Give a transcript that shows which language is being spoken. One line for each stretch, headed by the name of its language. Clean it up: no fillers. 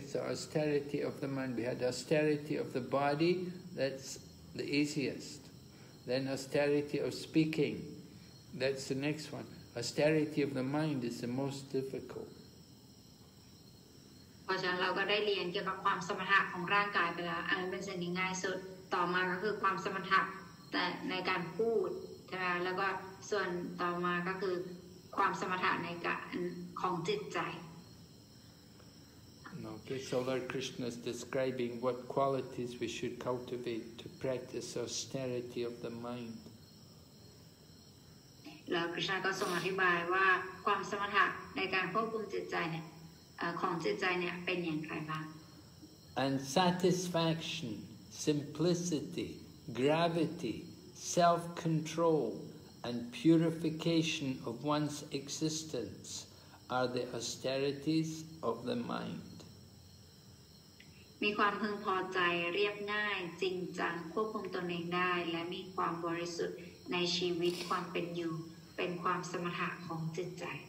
English: So austerity of the mind. We had austerity of the body. That's the easiest. Then austerity of speaking. That's the next one. Austerity of the mind is the most difficult.
Thai: ความสมถะของร่างกายไปแล้วอันนั้นเป็นสิ่งง่ายสุดต่อมาก็คือความสมถะ ในการพูดใช่ไหมแล้วก็ส่วนต่อมาก็คือความสมถะในการของจิตใจ
English: Okay, so Lord Krishna is describing what qualities we should cultivate to practice austerity of the mind.
Thai: Lord Krishna ก็ทรงอธิบายว่าความสมถะในการควบคุมจิตใจเนี่ยของจิตใจเนี่ยเป็นอย่างไรบ้าง
English: And satisfaction, simplicity, gravity, self-control, and purification of one's existence are the austerities of the mind.
Thai: มีความพึงพอใจเรียบง่ายจริงจังควบคุมตนเองได้และมีความบริสุทธิ์ในชีวิตความเป็นอยู่เป็นความสมถะของจิตใจ